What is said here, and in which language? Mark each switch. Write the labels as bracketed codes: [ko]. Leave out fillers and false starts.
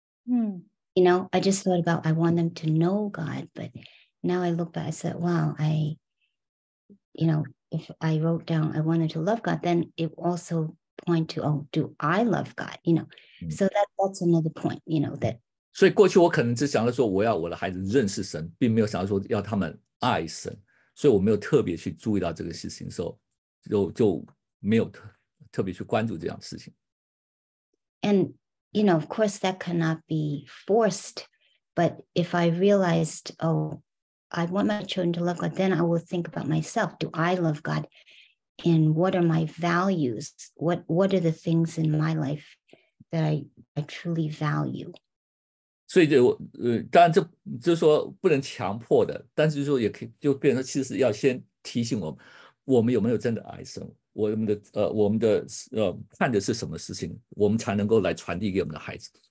[en] Mm. You know, I just thought about I want them to know God. But now I look back, I said, wow, If I wrote down I wanted to love God, then it also point to, oh, do I love God? You know, so that's another point, you know, that. [zh] 所以过去我可能只想着说我要我的孩子认识神，并没有想着说要他们爱神，所以我没有特别去注意到这个事情，所以就没有特别去关注这样的事情。 [en] And, you know, of course that cannot be forced, but if I realized, oh,I want my children to love God, then I will think about myself. Do I love God? And what are my values? What are the things in my life that I truly value? [zh] 所以当然就是说不能强迫的，但是就说也可以就变成其实要先提醒我们有没有真的爱神，我们的看的是什么事情，我们才能够来传递给我们的孩子。